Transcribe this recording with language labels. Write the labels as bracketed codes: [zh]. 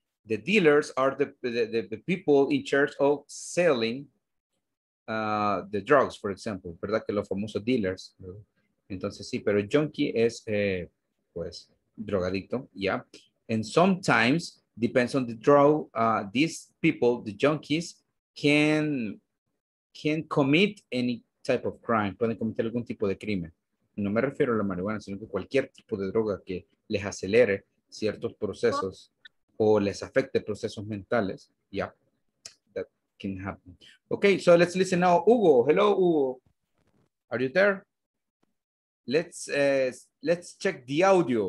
[en] The dealers are the people in charge of selling the drugs, for example. [es] ¿Verdad que los famosos dealers? Entonces sí, pero junkie es pues drogadicto, yeah. [en] And sometimes, depends on the drug, these people, the junkies, can commit any type of crime. [es] Pueden cometer algún tipo de crimen. No me refiero a la marihuana, sino que cualquier tipo de droga que les acelere ciertos procesos o les afecte procesos mentales. [en] Yeah, that can happen. Okay, so let's listen now. Hugo, hello, Hugo. Are you there? Let's check the audio.